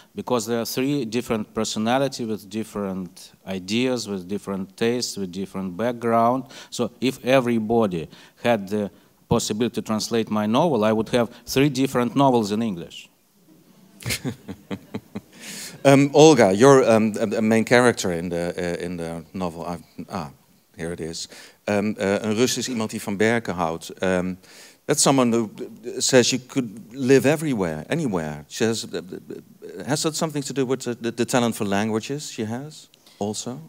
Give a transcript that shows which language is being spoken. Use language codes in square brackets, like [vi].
[en] Because there are three different personalities with different ideas, with different tastes, with different background. So if everybody had the possibility to translate my novel, I would have three different novels in English. Olga, you're a main character in the novel. Here it is. [nl] Een Rus is iemand die van berken houdt. [en] That's someone who says you could live everywhere, anywhere. She has that something to do with the talent for languages she has also?